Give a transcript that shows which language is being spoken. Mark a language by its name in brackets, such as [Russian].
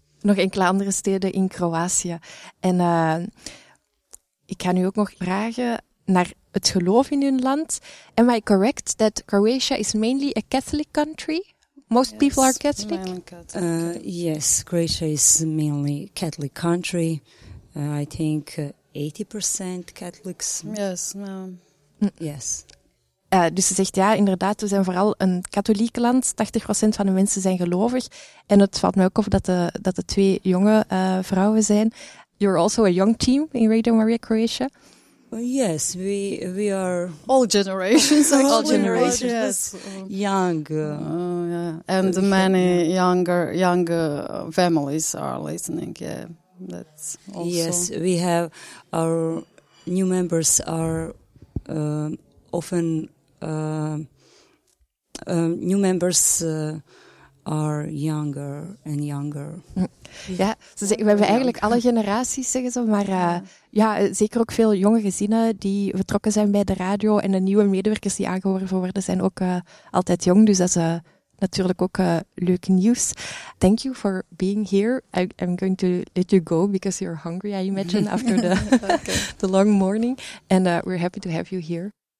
[Dutch] Nog enkele andere steden in Kroatië. En ik ga nu ook nog vragen naar het geloof in hun land. [English] Am I correct that Croatia is mainly a Catholic country? Most people are Catholic? Yes, Croatia is mainly Catholic country. I think 80% Catholics. Yes, ma'am. Yes. [Dutch] Dus ze zegt ja, inderdaad, we zijn vooral een katholiek land. 80% van de mensen zijn gelovig. En het valt mij ook op dat de twee jonge vrouwen zijn. [English] You're also a young team in Radio Maria Croatia. Yes, we are all generations, all generations, yes. Young. Yeah. And many younger families are listening. Yeah, that's also. Yes, we have our new members are often new members are younger and younger. [Dutch] Ja, we hebben eigenlijk alle generaties, zeggen ze, maar ja, zeker ook veel jonge gezinnen die betrokken zijn bij de radio en de nieuwe medewerkers die aangeworven worden, zijn ook altijd jong. Dus dat is natuurlijk ook leuk nieuws. [English] Thank you for being here. I'm going to let you go because you're hungry, I imagine, after the, the long morning. And we're happy to have you here.